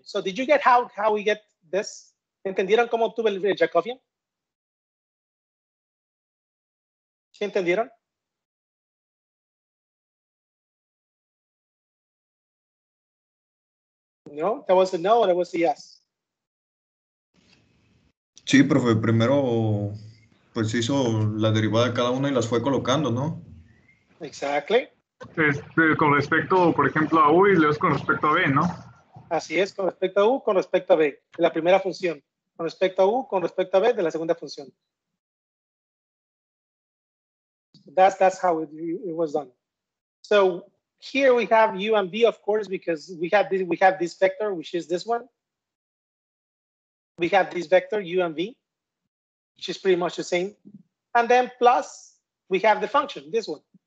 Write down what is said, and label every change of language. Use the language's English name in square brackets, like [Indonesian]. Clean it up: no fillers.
[English] So did you get how we get this? [Spanish] ¿Entendieron cómo obtuve el Jacobian? ¿Sí entendieron? [English] No, that was a no, or that was a yes? [Spanish] Sí, profe, primero pues hizo la derivada de cada una y las fue colocando, ¿no? [English] Exactly. [Spanish] Con respecto, por ejemplo, a u y luego con respecto a b, ¿no? Así es, con respecto a u, con respecto a b, la primera función. Con respecto a u, con respecto a b, de la segunda función. [English] That's how it was done. So here we have u and v, of course, because we have this vector, which is this one. We have this vector, u and v, which is pretty much the same. And then plus, we have the function, this one.